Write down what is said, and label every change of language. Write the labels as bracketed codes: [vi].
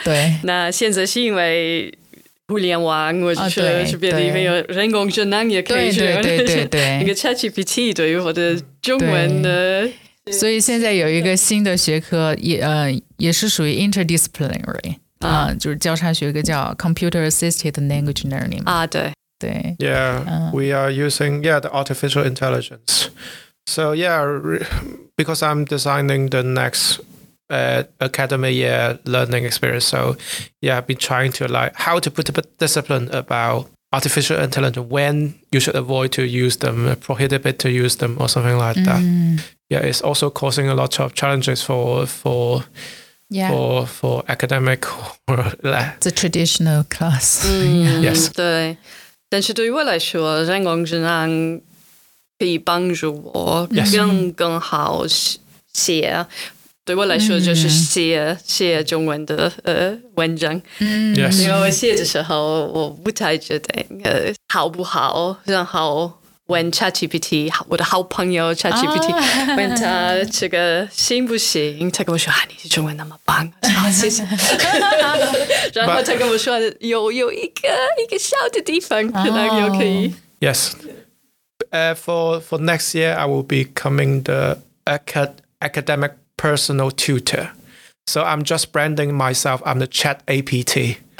[zh] 对。那现在是因为互联网或者是别的，因为人工智能也可以学，对对对对，一个 ChatGPT 对于我的中文的。所以现在有一个新的学科 也是属于 interdisciplinary。就是交叉学科叫 Computer Assisted Language Learning 啊，对对 [en] Yeah, we are using yeah, the artificial intelligence. So yeah, because I'm designing the next academy year learning experience. So yeah, I've been trying to like how to put a discipline about artificial intelligence, when you should avoid to use them, prohibit to use them or something like that. Yeah, it's also causing a lot of challenges Yeah. For academic or it's a traditional class. Yes. [zh] 对，但是对于我来说，人工智能可以帮助我更好写。对我来说，就是写中文的文章。 [en] Yes. [zh] 因为我写的时候，我不太确定好不好，然后。问 ChatGPT 我的好朋友 ChatGPT、oh, 问他这个行不行，他跟我说、啊、你中文那么棒、啊、谢谢然后他跟我说 有一个小的地方可能有可以、 oh. [en] Yes、for next year I will be becoming the academic personal tutor. So I'm just branding myself, I'm the chat APT